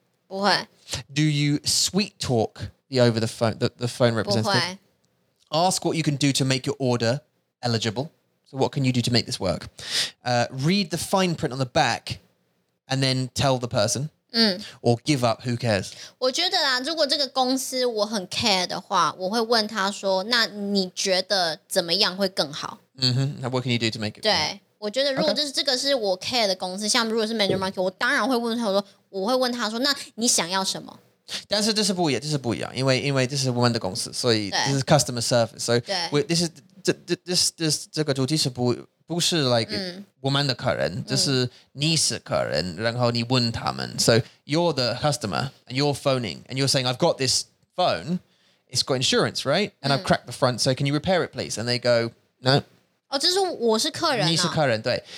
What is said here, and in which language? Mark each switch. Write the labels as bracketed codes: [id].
[en] What? Do you sweet talk the over the phone the phone representative? [zh] 不会. [en] Ask what you can do to make your order eligible. So what can you do to make this work? Read the fine print on the back and then tell the person. Or give up, who cares? [zh] 我觉得啦,如果这个公司我很care的话,我会问他说,那你觉得怎么样会更好? [en] Mm-hmm. What can you do to make it? [zh] 对,我觉得如果这是我care的公司,像如果是manager market,我当然会问他说,我会问他说,那你想要什么? 但是这是不一样,因为这是我们的公司,所以 [en] this is customer service. So this is [zh] 这个主题是不是 like 我们的客人,就是你是客人,然后你问他们. [en] So you're the customer and you're phoning and you're saying, I've got this phone, it's got insurance, right? And I've cracked the front, so can you repair it, please? And they go, no. [zh] 哦,这是我是客人啊。你是客人,对.